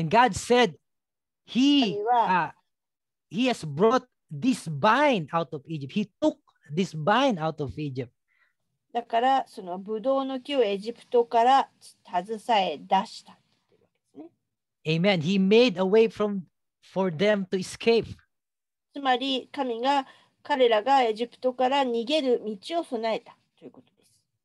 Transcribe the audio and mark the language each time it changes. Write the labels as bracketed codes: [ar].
[en] And God said, He has brought this vine out of Egypt. He tookThis vine out of Egypt. [ja] だからそのブドウの木をエジプトから携え出したっていうわけですね。 [en] Amen. He made a way for them to escape. [ja] つまり神が彼らがエジプトから逃げる道を備えたということです。